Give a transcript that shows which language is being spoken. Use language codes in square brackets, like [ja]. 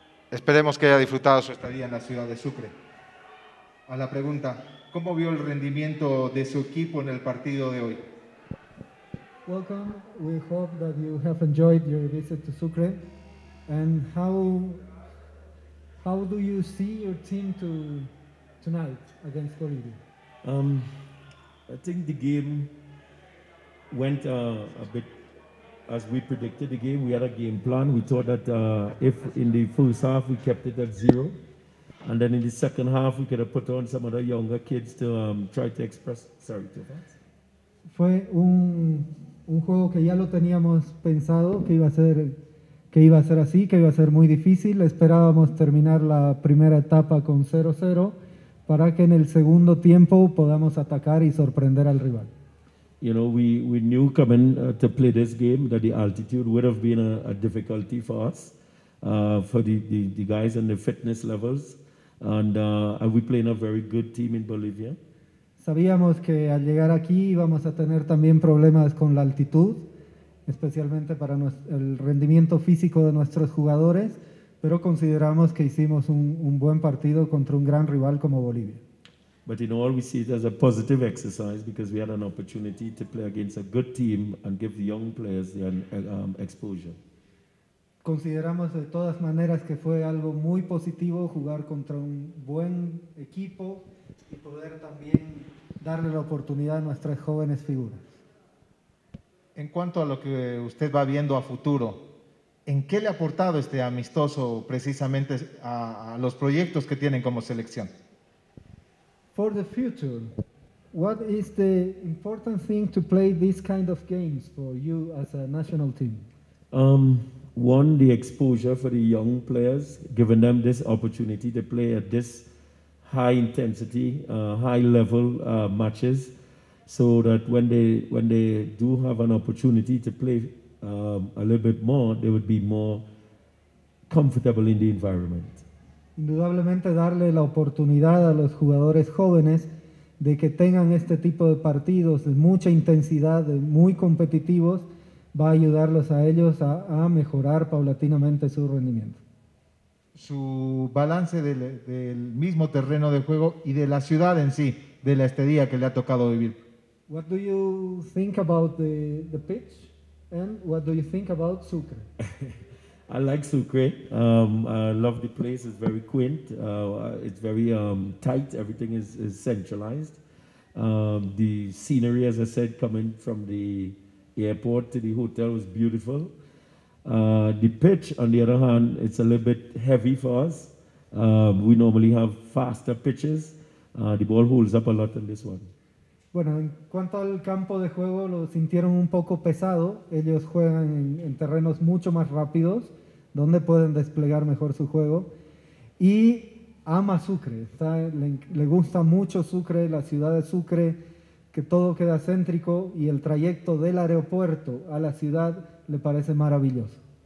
[es] Esperemos que haya disfrutado su estadía en la ciudad de Sucre. A la pregunta, ¿cómo vio el rendimiento de su equipo en el partido de hoy? [en] Welcome. We hope that you have enjoyed your visit to Sucre. And how do you see your team tonight against Bolivia? I think the game went a bit as we predicted the game. We had a game plan. We thought that if in the first half we kept it at zero, and then in the second half we could have put on some of the younger kids to try to express. Sorry, too fast. [es] Fue un juego que ya lo teníamos pensado, que iba a ser así, que iba a ser muy difícil. Esperábamos terminar la primera etapa con 0-0 para que en el segundo tiempo podamos atacar y sorprender al rival. [en] You know, we knew coming to play this game that the altitude would have been a difficulty for us, for the guys and the fitness levels. And we play in a very good team in Bolivia. [es] Sabíamos que al llegar aquí íbamos a tener también problemas con la altitud, especialmente para el rendimiento físico de nuestros jugadores, pero consideramos que hicimos un buen partido contra un gran rival como Bolivia. [en] But in all, we see it as a positive exercise because we had an opportunity to play against a good team and give the young players the exposure. [es] Consideramos de todas maneras que fue algo muy positivo jugar contra un buen equipo y poder también darle la oportunidad a nuestras jóvenes figuras. En cuanto a lo que usted va viendo a futuro, ¿en qué le ha aportado este amistoso precisamente a los proyectos que tienen como selección? [en] For the future, what is the important thing to play this kind of games for you as a national team? One, the exposure for the young players, giving them this opportunity to play at this high intensity, high level matches, so that when they do have an opportunity to play a little bit more, they would be more comfortable in the environment. [es] Indudablemente darle la oportunidad a los jugadores jóvenes de que tengan este tipo de partidos de mucha intensidad, de muy competitivos, va a ayudarlos a ellos a mejorar paulatinamente su rendimiento. Su balance del mismo terreno de juego y de la ciudad en sí, de la estadía que le ha tocado vivir. [en] What do you think about the pitch and what do you think about Sucre? I like Sucre. I love the place. It's very quaint. It's very tight. Everything is centralized. The scenery, as I said, coming from the airport to the hotel was beautiful. The pitch, on the other hand, it's a little bit heavy for us. We normally have faster pitches. The ball holds up a lot on this one. [es] Bueno, en cuanto al campo de juego, lo sintieron un poco pesado. Ellos juegan en terrenos mucho más rápidos, donde pueden desplegar mejor su juego. Y ama Sucre, le gusta mucho Sucre, la ciudad de Sucre, que todo queda céntrico y el trayecto del aeropuerto a la ciudad le parece maravilloso.